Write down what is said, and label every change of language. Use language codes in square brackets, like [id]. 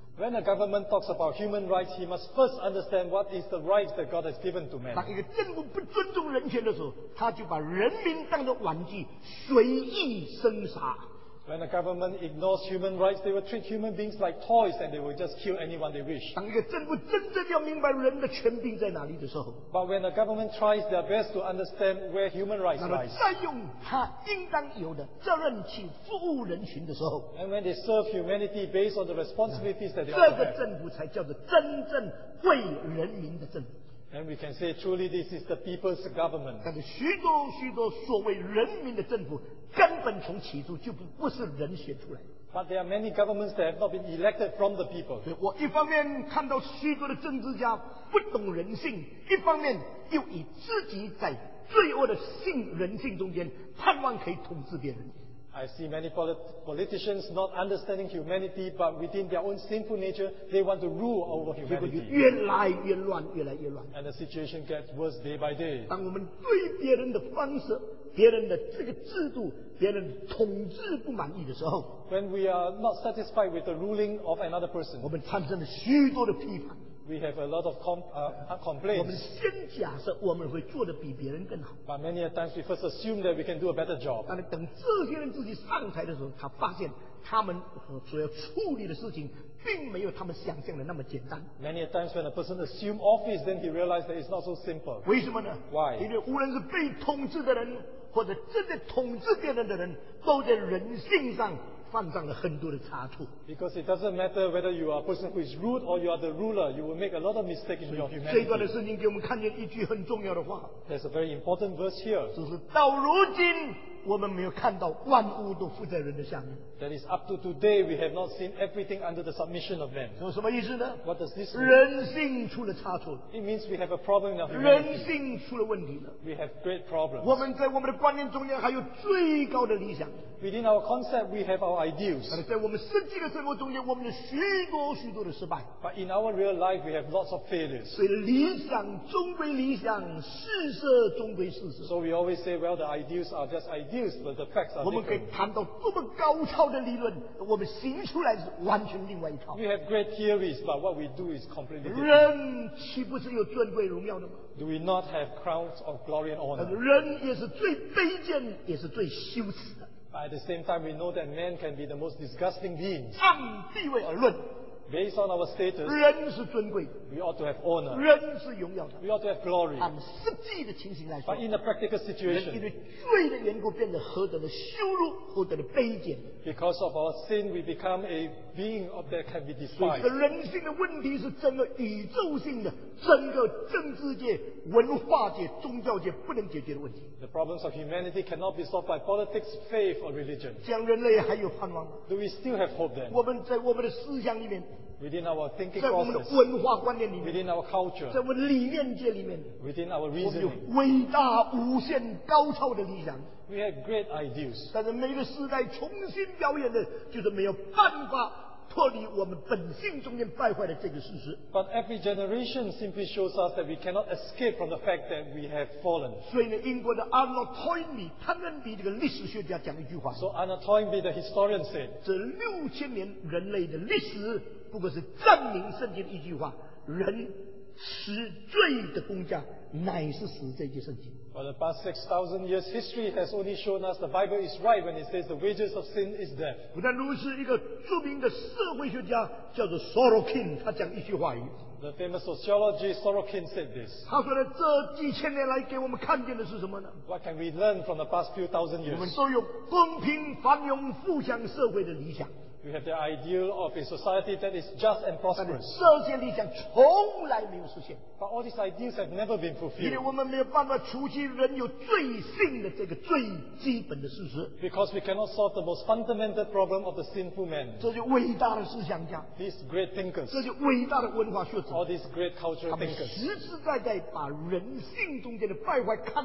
[en] When a government talks about human rights, he must first understand what is the rights that God has given to man. [zh] 当一个政府不尊重人权的时候，他就把人民当作玩具，随意生杀。 [en] When a government ignores human rights, they will treat human beings like toys and they will just kill anyone they wish. [zh] 当一个政府真正要明白人的权柄在哪里的时候， [en] But when a government tries their best to understand where human rights lies, [zh] 再用他应当有的责任去服务人群的时候， [en] And when they serve humanity based on the responsibilities that they have, [zh] 这个政府才叫做真正为人民的政府。 [en] And we can say truly this is the people's government. [zh] 但是许多许多所谓人民的政府根本从起初就 不是人选出来的。 [en] But there are many governments that have not been elected from the people. [zh] 所以我一方面看到许多的政治家不懂人性，一方面又以自己在罪恶的性人性中间盼望可以统治别人。 [en] I see many politicians not understanding humanity, but within their own sinful nature, they want to rule over humanity. [zh] 越来越乱，越来越乱。 [en] And the situation gets worse day by day. [zh] 当我们对别人的方式、别人的这个制度、别人的统治不满意的时候， [en] when we are not satisfied with the ruling of another person, [zh] 我们产生了许多的批判。 [en] We have a lot of complaints. [zh] 我们先假设我们会做得比别人更好。 [en] But many a times we first assume that we can do a better job. [zh] 但是等这些人自己上台的时候，他发现他们所要处理的事情并没有他们想象的那么简单。 [en] Many a times when a person assumes office, then he realizes that it's not so simple. [zh] 为什么呢？ [en] Why? [zh] 因为无论是被统治的人，或者正在统治别人的人，都在人性上犯上了很多的差错。 [en] Because it doesn't matter whether you are a person who is rude or you are the ruler, you will make a lot of mistakes in your humanity. [zh] 这段的圣经给我们看见一句很重要的话。 [en] There's a very important verse here. [zh] 就是到如今，我们没有看到万物都附在人的下面。 [en] That is up to today, we have not seen everything under the submission of man. [zh] 有什么意思呢？ [en] What does this mean? [zh] 人性出了差错。 [en] It means we have a problem in our humanity. [zh] 人性出了问题了。 [en] We have great problems. [zh] 我们在我们的观念中间还有最高的理想。 [en] Within our concept, we have our ideals. [zh] 但是在我们实际的生活中间，我们有许多许多的失败。 [en] But in our real life, we have lots of failures. [zh] 所以理想终归理想，事实终归事实。 [en] So we always say, well, the ideals are just ideals, but the facts are different. [zh] 我们可以谈到多么高超的理论，我们行出来是完全另外一套。 [en] We have great theories, but what we do is completely different. [zh] 人岂不是有尊贵荣耀的吗？ [en] Do we not have crowns of glory and honor? [zh] 人也是最卑贱，也是最羞耻的。 [en] At the same time, we know that man can be the most disgusting being. [zh] 按地位而论， [en] Based on our status, [zh] 人是尊贵， [en] we ought to have honor. [zh] 人是荣耀的， [en] we ought to have glory. [zh] 按实际的情形来说， [en] But in a practical situation, [zh] 人因为罪的缘故变得何等的羞辱，何等的卑贱。 [en] Because of our sin, we become a being that can be despised. [zh] 所以这人性的问题是整个宇宙性的，整个政治界、文化界、宗教界不能解决的问题。 [en] The problems of humanity cannot be solved by politics, faith, or religion. [zh] 将人类还有盼望吗？ [en] Do we still have hope then? [zh] 我们在我们的思想里面， [en] within our thinking process, within our culture, within our reasoning. We have great ideas. [zh] 脱离我们本性中间败坏的这个事实, [en] but every generation simply shows us that we cannot escape from the fact that we have fallen. [zh] 所以呢, 英国的 Arnold Toynbee, 汤恩比这个历史学家讲一句话, [en] so Arnold Toynbee, the historian said, [zh] 这6000年人类的历史, 不过是证明圣经的一句话, 人死罪的工价, 乃是死罪的圣经。 [en] For the past 6,000 years, history has only shown us the Bible is right when it says the wages of sin is death. [zh] 不但如此，一个著名的社会学家叫做 Sorokin， 他讲一句话语。 [en] The famous sociologist Sorokin said this. [zh] 他说呢，这几千年来给我们看见的是什么呢？ [en] What can we learn from the past few thousand years? [zh] 我们都有公平、繁荣、富强社会的理想。 [en] We have the ideal of a society that is just and prosperous. [zh] 但是这些理想从来没有实现。 [en] But all these ideas have never been fulfilled. Because we cannot solve the most fundamental problem of the sinful man. These great thinkers. All these great cultural thinkers.